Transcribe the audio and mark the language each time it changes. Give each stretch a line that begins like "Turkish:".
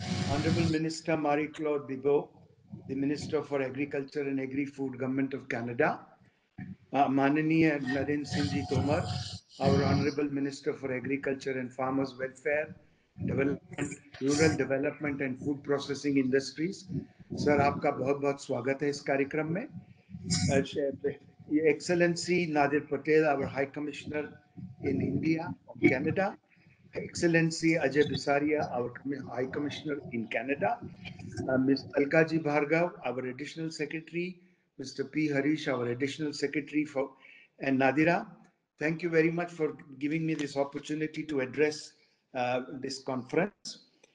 English: Honorable Minister Marie-Claude Bibeau, the Minister for Agriculture and Agri-Food, Government of Canada. Mananiya Narendra Singh Tomar, our Honorable Minister for Agriculture and Farmers Welfare, Development, Rural Development and Food Processing Industries.
Hindi: Sir, आपका बहुत बहुत स्वागत है इस कार्यक्रम में।
English: Excellency Nadir Patel, our High Commissioner in India, Canada. Excellency Ajay Bisaria, our High Commissioner in Canada. Ms. Alka Ji Bhargava, our Additional Secretary. Mr. P. Harish, our Additional Secretary for, and Nadira, thank you very much for giving me this opportunity to address this conference.